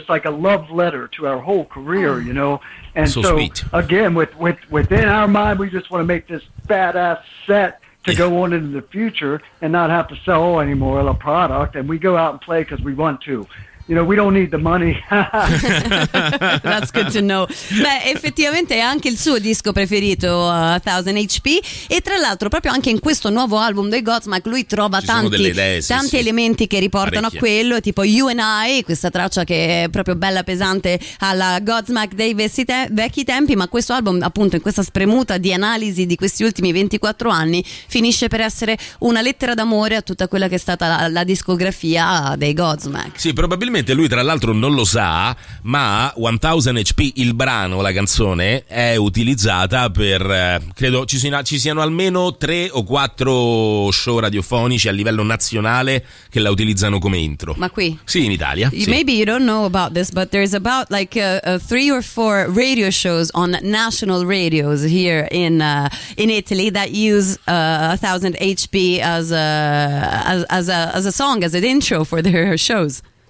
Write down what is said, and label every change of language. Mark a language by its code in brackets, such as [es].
[en] It's like a love letter to our whole career, you know. And so, sweet. Again, within our mind, we just want to make this badass set to go on into the future and not have to sell any more of the product. And we go out and play because we want to. You know, we don't need the money. That's good to know. [it] Beh, effettivamente è anche il suo disco preferito, 1000 HP. E tra l'altro, proprio anche in questo nuovo album dei Godsmack, lui trova tanti elementi che riportano a quello, tipo You and I, questa traccia che è proprio bella pesante alla Godsmack dei vecchi tempi. Ma questo album, appunto, in questa spremuta di analisi di questi ultimi 24 anni, finisce per essere una lettera d'amore a tutta quella che è stata la discografia dei Godsmack. Sì, probabilmente. Lui tra l'altro non lo sa, ma 1000 HP, il brano, la canzone, è utilizzata per, credo ci siano almeno 3 o 4 show radiofonici a livello nazionale che la utilizzano come intro. Ma qui? Sì, in Italia. [en] Maybe you don't know about this, but there's about like 3 or 4 radio shows on national radios here in Italy that use 1000 HP as a song, as an intro for their shows.